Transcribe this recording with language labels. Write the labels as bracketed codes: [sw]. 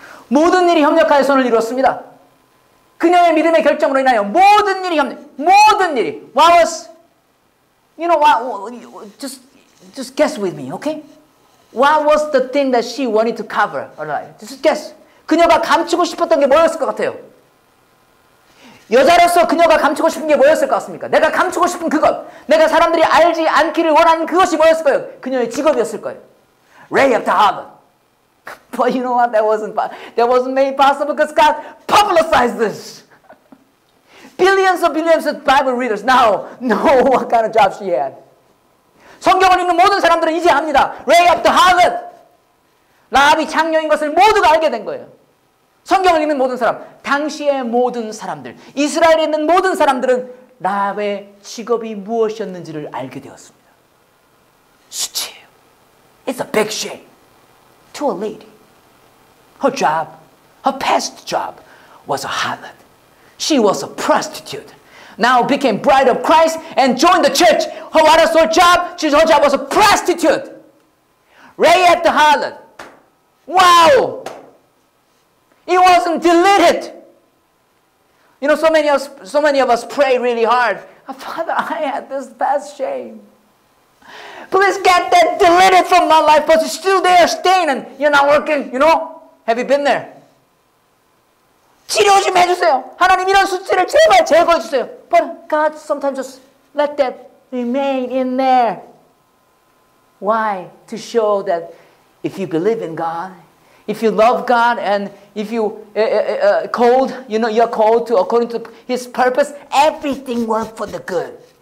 [ko] 모든 일이 협력하여 선을 이루었습니다. 그녀의 믿음의 결정으로 인하여 모든 일이 협력, 모든 일이. [en] What was, you know, just guess with me, okay? What was the thing that she wanted to cover? Just guess. [ko] 그녀가 감추고 싶었던 게 뭐였을 것 같아요? 여자로서 그녀가 감추고 싶은 게 뭐였을 것 같습니까? 내가 감추고 싶은 그것, 내가 사람들이 알지 않기를 원하는 그것이 뭐였을 거예요? 그녀의 직업이었을 거예요. [en] Ray of the harbor. But you know what? That wasn't made possible because God publicized this. Billions of Bible readers now know what kind of job she had. [ko] 성경을 읽는 모든 사람들은 이제 압니다. [en] Rahab the harlot. [ko] 라합이 창녀인 것을 모두가 알게 된 거예요. 성경을 읽는 모든 사람, 당시의 모든 사람들, 이스라엘에 있는 모든 사람들은 라합의 직업이 무엇이었는지를 알게 되었습니다. 수치예요. [en] It's a big shame. To a lady. Her job, her past job, was a harlot. She was a prostitute. Now became bride of Christ and joined the church. What was her job? Her job was a prostitute. Rahab the harlot. Wow! It wasn't deleted. You know, so many of us pray really hard. Father, I had this past shame. Please get that deleted from my life, but it's still there, staining. You're not working, you know? Have you been there? [ko] 치료 좀 해주세요. 하나님 이런 수치를 제발 제거해주세요. [en] But God sometimes just let that remain in there. Why? To show that if you believe in God, if you love God, and if you called, you know, you're called to according to His purpose, everything works for the good.